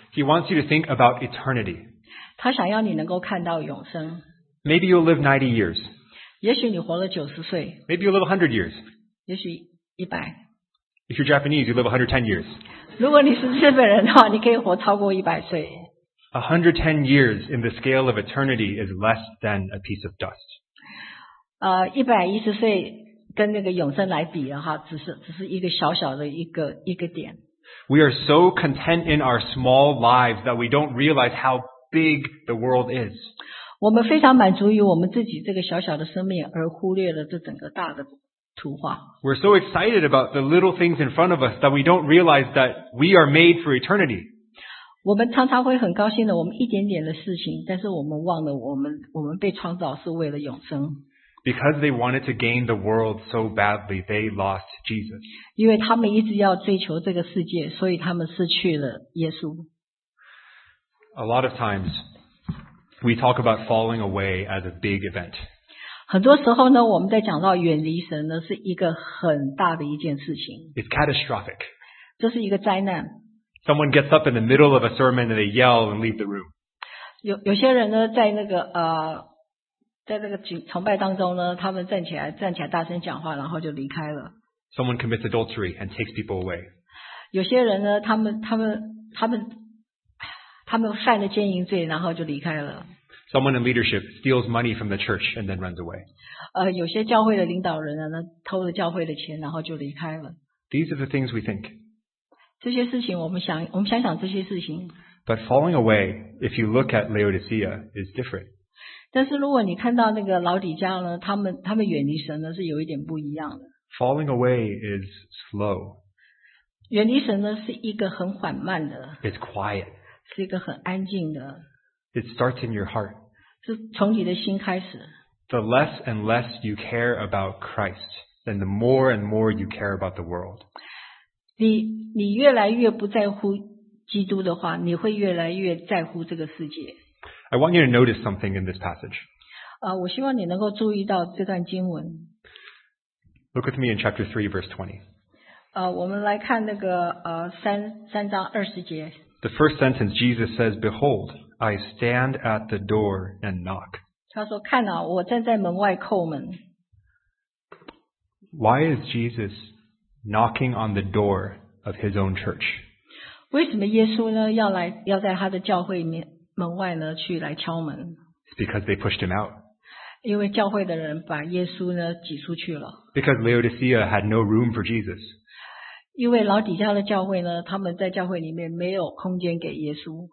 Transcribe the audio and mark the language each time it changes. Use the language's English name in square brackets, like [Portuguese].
[English] He wants you to think about eternity. [Chinese] 他想要你能够看到永生。 [English] Maybe you'll live 90 years. [Chinese] 也许你活了90岁。 [English] Maybe you'll live 100 years. [Chinese] 也许100。 [English] If you're Japanese, you live 110 years. [Chinese] 如果你是日本人的话，你可以活超过100岁。 [English] 110 years in the scale of eternity is less than a piece of dust. [Chinese] 110岁跟那个永生来比的话，只是一个小小的一个点。 [English] We are so content in our small lives that we don't realize how big the world is. [Chinese] 我们非常满足于我们自己这个小小的生命，而忽略了这整个大的图画。 [English] We're so excited about the little things in front of us that we don't realize that we are made for eternity. [Chinese] 我们常常会很高兴的，我们一点点的事情，但是我们忘了我们被创造是为了永生。 [English] Because they wanted to gain the world so badly, they lost Jesus. [Chinese] 因为他们一直要追求这个世界，所以他们失去了耶稣。 [English] A lot of times, we talk about falling away as a big event. [Chinese] 很多时候呢，我们在讲到远离神呢，是一个很大的一件事情。 [English] It's catastrophic. [Chinese] 这是一个灾难。 [English] Someone gets up in the middle of a sermon and they yell and leave the room. [Chinese] 有些人呢，在那个在这个崇拜当中呢，他们站起来大声讲话，然后就离开了。 [English] Someone commits adultery and takes people away. [Chinese] 有些人呢，他们犯了奸淫罪，然后就离开了。 [English] Someone in leadership steals money from the church and then runs away. [Chinese] 有些教会的领导人呢，偷了教会的钱，然后就离开了。 [English] These are the things we think. [Chinese] 这些事情我们想想这些事情。 [English] But falling away, if you look at Laodicea, is different. [Chinese] 但是如果你看到那个老底家呢，他们远离神呢是有一点不一样的。 [English] Falling away is slow. [Chinese] 远离神呢是一个很缓慢的。 [English] It's quiet. [Chinese] 是一个很安静的。 [English] It starts in your heart. [Chinese] 是从你的心开始。 [English] The less and less you care about Christ, then the more and more you care about the world. [Chinese] 你越来越不在乎基督的话，你会越来越在乎这个世界。 [English] I want you to notice something in this passage. [Chinese] 我希望你能够注意到这段经文。 [English] Look with me in chapter 3, verse 20. [Chinese] 我们来看那个三章二十节。 [English] The first sentence, Jesus says, Behold, I stand at the door and knock. [Chinese] 他说，看啊，我站在门外叩门。 [English] Why is Jesus knocking on the door of his own church? [Chinese] 为什么耶稣呢，要在他的教会面门外呢去来敲门。 [English] It's because they pushed him out. [Chinese] 因为教会的人把耶稣呢挤出去了。 [English] Because Laodicea had no room for Jesus. [Chinese] 因为老底家的教会呢，他们在教会里面没有空间给耶稣。